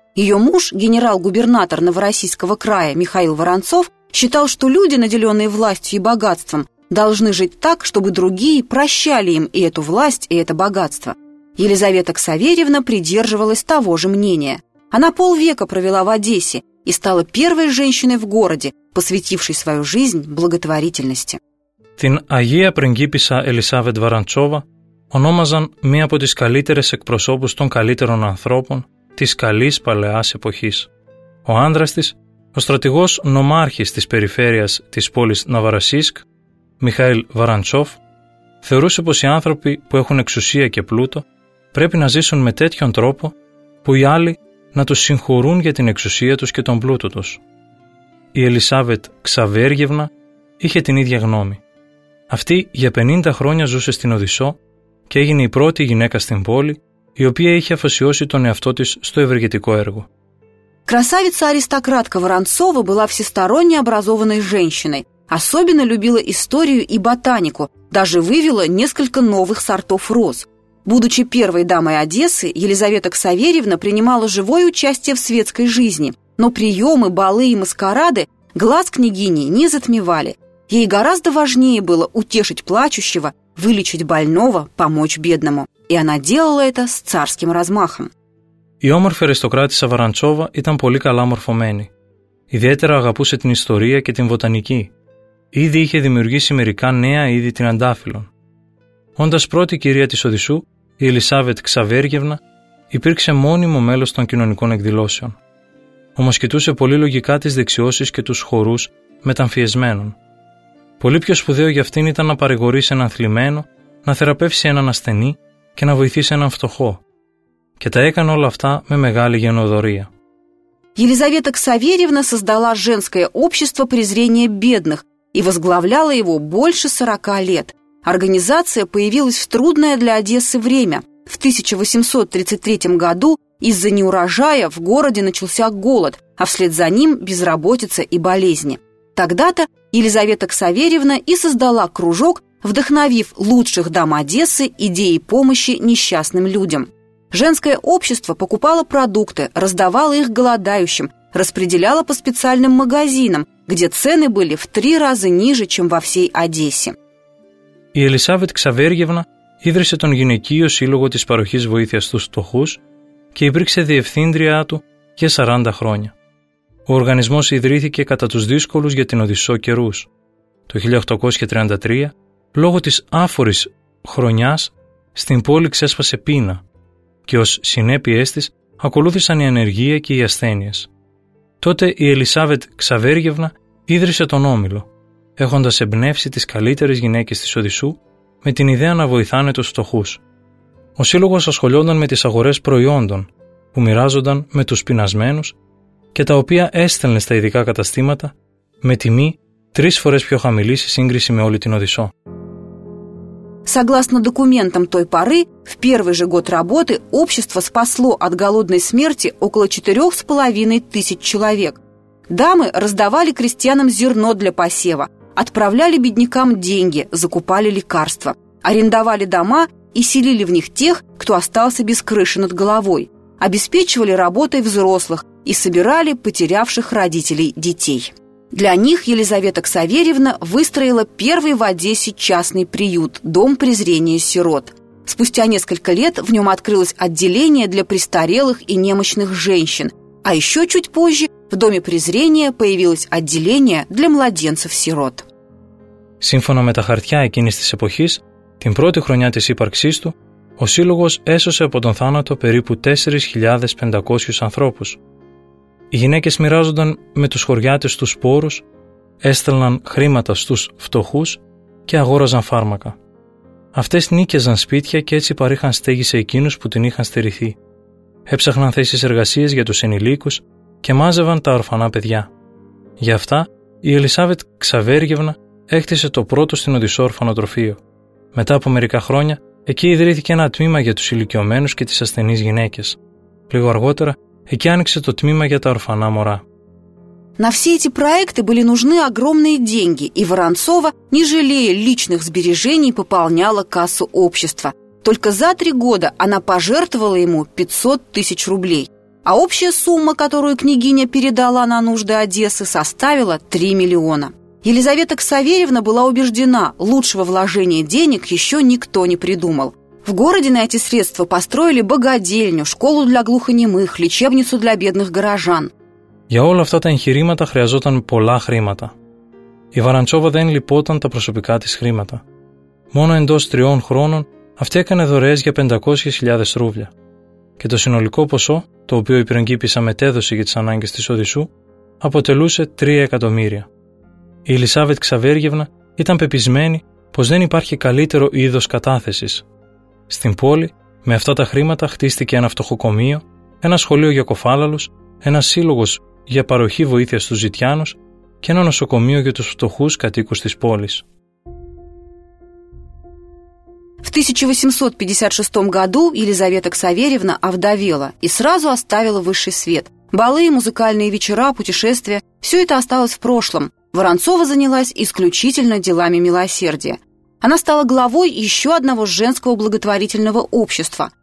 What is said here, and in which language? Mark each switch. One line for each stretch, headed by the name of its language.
Russian: Ее муж, генерал-губернатор Новороссийского края Михаил Воронцов, считал, что люди, наделенные властью и богатством, должны жить так, чтобы другие прощали им и эту власть, и это богатство. Елизавета Ксаверьевна придерживалась того же мнения. Она полвека провела в Одессе и стала первой женщиной в городе, посвятившей свою жизнь благотворительности.
Greek: Την Αγία Πριγκίπισσα Ελισάβετ Воронцова ονόμαζαν μία από τις καλύτερες εκπροσώπους των καλύτερων ανθρώπων της καλής παλαιάς εποχής. Ο άντρας της, ο στρατηγός νομάρχης της περιφέρειας της πόλης Νοβαρασίσκ, Μιχαήλ Βαραντσόφ, θεωρούσε πως οι άνθρωποι που έχουν εξουσία και πλούτο πρέπει να ζήσουν με τέτοιον τρόπο που οι άλλοι να τους συγχωρούν για την εξουσία τους και τον πλούτο τους. Η Ελισάβετ Ξαβέργευνα είχε την ίδια γνώμη. Αυτή για 50 χρόνια ζούσε στην Οδυσσό και έγινε η πρώτη γυναίκα στην πόλη η οποία είχε αφοσιώσει τον εαυτό της στο ευεργετικό έργο.
Russian: Красавица аристократка Воронцова была всесторонне образованной женщиной. Особенно любила историю и ботанику, даже вывела несколько новых сортов роз. Будучи первой дамой Одессы, Елизавета Ксаверьевна принимала живое участие в светской жизни, но приемы, балы и маскарады глаз княгини не затмевали. Ей гораздо важнее было утешить плачущего, вылечить больного, помочь бедному. И она делала это с царским размахом.
Greek: Η όμορφη αριστοκράτησα Воронцова ήταν πολύ καλά μορφωμένη. Ιδιαίτερα αγαπούσε την ιστορία και την βοτανική. Ήδη είχε δημιουργήσει μερικά νέα είδη τριαντάφυλλων. Όντας πρώτη κυρία της Οδυσσού, η Ελισάβετ Ξαβέργευνα υπήρξε μόνιμο μέλος των κοινωνικών εκδηλώσεων. Όμως κοιτούσε πολύ λογικά τις δεξιώσεις και τους χορούς μεταμφιεσμένων. Πολύ πιο σπουδαίο για αυτήν ήταν να παρηγορήσει έναν θλιμμένο, να θεραπεύσει έναν ασθενή και να βοηθήσει έναν φτωχό. Και τα έκανε όλα αυτά με μεγάλη γενναιοδορία.
Russian: Елизавета Ксаверьевна создала женское общество презрения бедных и возглавляла его больше 40 лет. Организация появилась в трудное для Одессы время. В 1833 году из-за неурожая в городе начался голод, а вслед за ним безработица и болезни. Тогда-то Елизавета Ксаверьевна и создала кружок, вдохновив лучших дам Одессы идеей помощи несчастным людям. Женское общество покупало продукты, раздавало их голодающим, распределяло по специальным магазинам, где цены были в 3 раза ниже, чем во всей Одессе.
Greek: Η Ελισάβετ Ξαβέργευνα ίδρυσε τον Γυναικείο Σύλλογο της Παροχής Βοήθειας στους Φτωχούς και υπήρξε διευθύντριά του για 40 χρόνια. Ο οργανισμός ιδρύθηκε κατά τους δύσκολους για την Οδυσσό καιρούς. Το 1833, λόγω της άφορης χρονιάς, στην πόλη ξέσπασε πείνα και ως συνέπειές της ακολούθησαν η ανεργία και οι ασθένειες. Τότε η Ελισάβετ Ξαβέργευνα ίδρυσε τον Όμιλο, έχοντας εμπνεύσει τις καλύτερες γυναίκες της Οδυσσού με την ιδέα να βοηθάνε τους φτωχούς. Ο σύλλογος ασχολιόταν με τις αγορές προϊόντων που μοιράζονταν με τους πεινασμένους και τα οποία έστελνε στα ειδικά καταστήματα με τιμή 3 φορές πιο χαμηλή σε σύγκριση με όλη την Οδυσσό.
Russian: Согласно документам той поры, в первый же год работы общество спасло от голодной смерти около 4500 человек. Дамы раздавали крестьянам зерно для посева, отправляли беднякам деньги, закупали лекарства, арендовали дома и селили в них тех, кто остался без крыши над головой, обеспечивали работой взрослых и собирали потерявших родителей детей. Для них Елизавета Ксаверьевна выстроила первый в Одессе частный приют – дом презрения сирот. Спустя несколько лет в нем открылось отделение для престарелых и немощных женщин, а еще чуть позже в доме презрения появилось отделение для младенцев-сирот.
Greek: Σύμφωνα με τα χαρτιά εκείνης της εποχής, την πρώτη χρονιά της ύπαρξής του, ο σύλλογος έσωσε από τον θάνατο περίπου 4.500 ανθρώπους. Οι γυναίκες μοιράζονταν με τους χωριάτες τους σπόρους, έστελναν χρήματα στους φτωχούς και αγόραζαν φάρμακα. Αυτές νίκιαζαν σπίτια και έτσι παρήχαν στέγη σε εκείνους που την είχαν στερηθεί. Έψαχναν θέσεις εργασίας για τους ενηλίκους και μάζευαν τα ορφανά παιδιά. Γι' αυτά η Ελισάβετ Ξαβέργευνα έκτισε το πρώτο στην Οδυσσό ορφανοτροφείο. Μετά από μερικά χρόνια, εκεί ιδρύθηκε ένα τμήμα για τους ηλικιωμένους και τις ασθενείς γυναίκες. Λίγο αργότερα, εκεί άνοιξε το τμήμα για τα ορφανά μωρά.
Russian: На все эти проекты были нужны огромные деньги, и Воронцова, не жалея личных сбережений, пополняла кассу общества. Только за 3 года она пожертвовала ему 500 тысяч рублей, а общая сумма, которую княгиня передала на нужды Одессы, составила 3 миллиона. Елизавета Ксаверьевна была убеждена, лучшего вложения денег еще никто не придумал. В городе на эти средства построили богадельню, школу для глухонемых, лечебницу для бедных горожан.
Greek: Για όλα αυτά τα εγχειρήματα χρειαζόταν πολλά χρήματα. Η Βαραντσόβα δεν λυπόταν τα προσωπικά της χρήματα. Μόνο εντός 3 χρόνων αυτή έκανε δωρεές για 500.000 ρούβλια. Και το συνολικό ποσό, το οποίο η πριγκίπισσα μετέδωσε για τις ανάγκες της Οδυσσού, αποτελούσε 3 εκατομμύρια. Η Ελισάβετ Ξαβέργευνα ήταν πεπισμένη πως δεν υπάρχει καλύτερο είδος κατάθεσης. Στην πόλη, με αυτά τα χρήματα χτίστηκε ένα φτωχοκομείο, ένα σχολείο για κοφάλαλους, ένα σύλλογος για παροχή βοήθειας στους ζητιάνους και ένα νοσοκομείο για τους φτωχούς κατοίκους της πόλης.
Russian: В 1856 году Елизавета Ксаверьевна овдовела и сразу оставила высший свет. Балы, музыкальные вечера, путешествия – все это осталось в прошлом. Воронцова занялась исключительно делами милосердия. Она стала главой еще одного женского благотворительного общества.